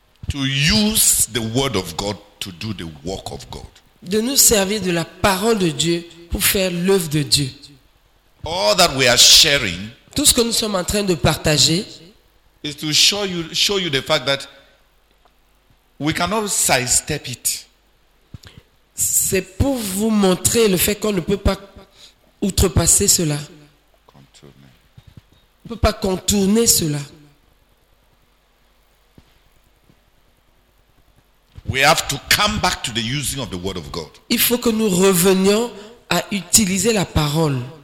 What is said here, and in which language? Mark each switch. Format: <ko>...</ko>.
<en>To use the word of God to do the work of God.</en> <fr>De nous servir de la parole de Dieu pour faire l'œuvre de Dieu.</fr> <en>All that we are sharing.</en> <fr>Tout ce que nous sommes en train de partager.</fr> <en>Is to show you the fact that. We cannot sidestep it.</en> <fr>C'est pour vous montrer le fait qu'on ne peut pas outrepasser cela. Contourner. On ne peut pas contourner cela.</fr> <en>We have to come back to the using of the word of God.</en> <fr>Il faut que nous revenions à utiliser la parole.</fr>